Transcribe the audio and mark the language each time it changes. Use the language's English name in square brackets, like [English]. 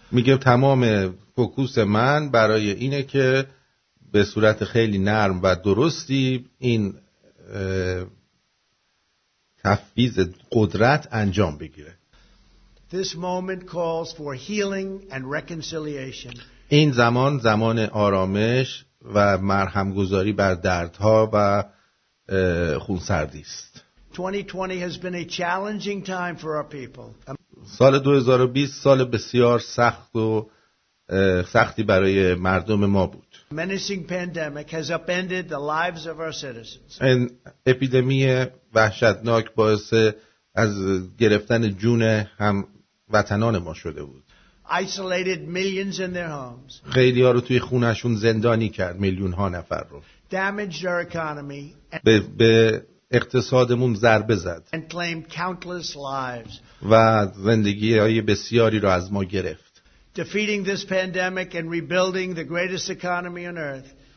[Persian] میگه تمام فوکوس من برای اینه که به صورت خیلی نرم و درستی این تفویض قدرت انجام بگیره. [English] This moment calls for healing and reconciliation. [Persian] این زمان زمان آرامش و مرهم گذاری بر دردها و خونسردی است. [English] 2020 has been a challenging time for our people. [Persian] سال 2020 سال بسیار سخت و سختی برای مردم ما بود. [English] Menacing pandemic has upended the lives of our citizens. [Persian] این اپیدمی وحشتناک باعث از گرفتن جون هم وطنان ما شده بود. [English] Isolated millions in their homes. [Persian] خیلی ها رو توی خونهشون زندانی کرد، میلیون ها نفر رو. [English] Damaged our economy. [Persian] به اقتصادمون ضربه زد. [English] And claimed countless lives. [Persian] و زندگی های بسیاری رو از ما گرفت. [English] Defeating this pandemic and rebuilding the greatest economy on earth.